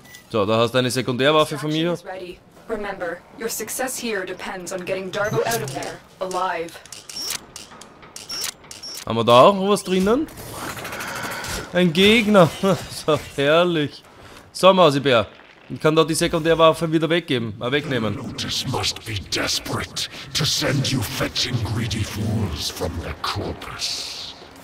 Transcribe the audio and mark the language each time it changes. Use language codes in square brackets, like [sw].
[de] So, da hast du eine Sekundärwaffe von mir. [en] Remember, your success here depends on getting Darbo out of there, alive. [de] Haben wir da auch noch was drinnen? Ein Gegner! So herrlich! So, Mausibär, ich kann da die Sekundärwaffe wieder weggeben, wegnehmen. [en] Lotus must be desperate to send you fetching greedy fools from the corpus.